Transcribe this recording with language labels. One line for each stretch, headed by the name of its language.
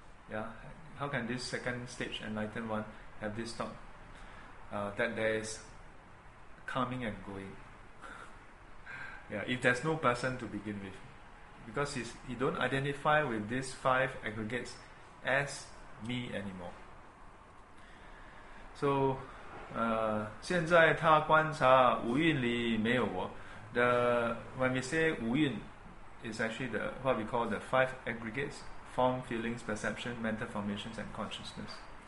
English: Yeah, how can this second stage enlightened one have this thought? That there is coming and going. Yeah, if there's no person to begin with. Because he don't identify with these five aggregates as me anymore.
Chinese: So, 现在他观察五蕴里没有我.
English: The when we say 五蕴 is actually the what we call the five aggregates: form, feelings, perception, mental formations, and consciousness.